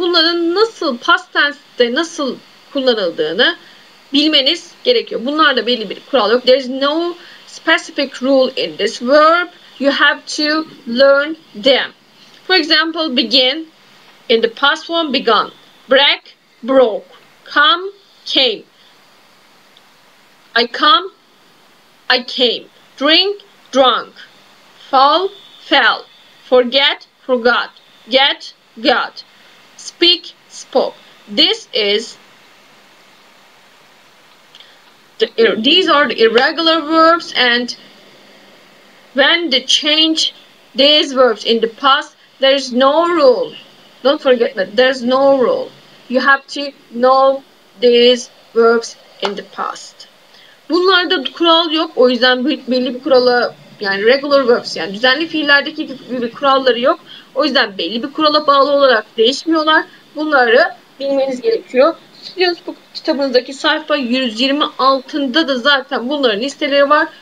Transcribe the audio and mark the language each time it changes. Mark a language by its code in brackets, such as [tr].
[tr] Bunların nasıl past tense'de nasıl kullanıldığını bilmeniz gerekiyor. Bunlarda belli bir kural yok. [en] There is no specific rule in this verb. You have to learn them. For example, begin in the past form begun. Break, broke. Come, came. I come, I came. Drink, drunk. Fall, fell. Forget, forgot. Get, got. Speak, spoke. This is these are the irregular verbs, and when they change these verbs in the past, there is no rule. Don't forget that there's no rule. You have to know these verbs in the past. [tr] Bunlarda kural yok, o yüzden belli bir kurala, yani regular verbs, yani düzenli fiillerdeki gibi kuralları yok. O yüzden belli bir kurala bağlı olarak değişmiyorlar. Bunları bilmeniz gerekiyor. Sizin bu kitabınızdaki sayfa 126'da da zaten bunların listeleri var.